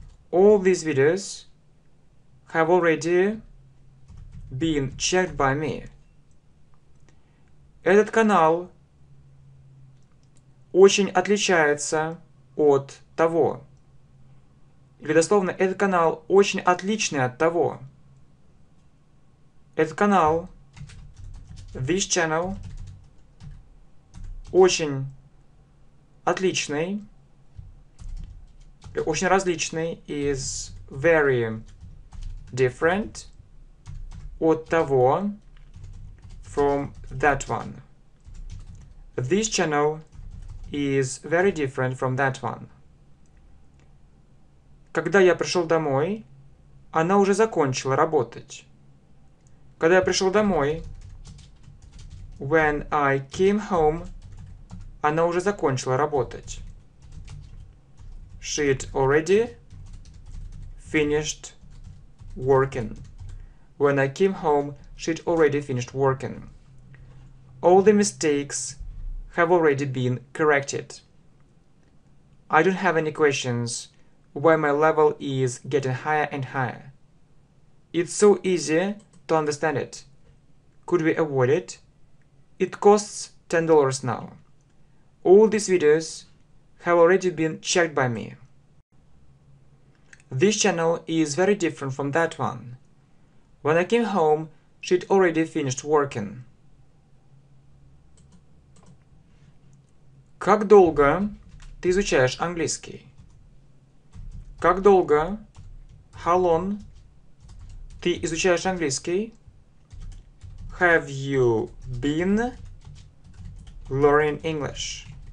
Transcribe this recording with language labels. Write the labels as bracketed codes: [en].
[en] All these videos have already been checked by me. [ru] Этот канал очень отличается от того. Или дословно, этот канал очень отличный от того. Этот канал, [en] this channel, [ru] очень отличный, очень различный, [en] is very different [ru] от того, [en] from that one. This channel is very different from that one. [ru] Когда я пришел домой, она уже закончила работать. Когда я пришел домой, [en] when I came home, [ru] она уже закончила работать. [en] She'd already finished working. When I came home, she'd already finished working. All the mistakes have already been corrected. I don't have any questions why my level is getting higher and higher. It's so easy to understand it. Could we avoid it? It costs $10 now. All these videos have already been checked by me. This channel is very different from that one. When I came home, she'd already finished working. [ru] Как долго ты изучаешь английский? Как долго, [en] how long, [ru] ты изучаешь английский? [en] Have you been learning English?